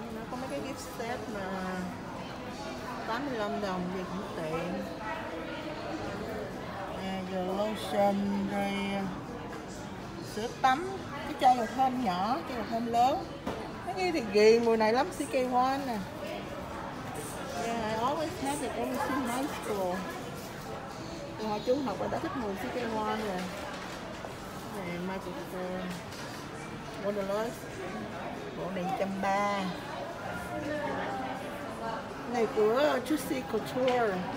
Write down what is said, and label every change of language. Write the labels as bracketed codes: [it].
[vi] Có mấy cái gift set mà 85 đồng thì cũng tiện. Nè, giờ lotion rồi sữa tắm, cái chai dầu thơm nhỏ, chai dầu thơm lớn. Cái gì thì ghi mùi này lắm, CK1 nè. [en] Yeah, I always have it ever since high school. [vi] Từ hồi chú học là đã thích mùi CK1 rồi. Nè, microphone. Wonderless. Bộ này 130. Này của Juicy Couture.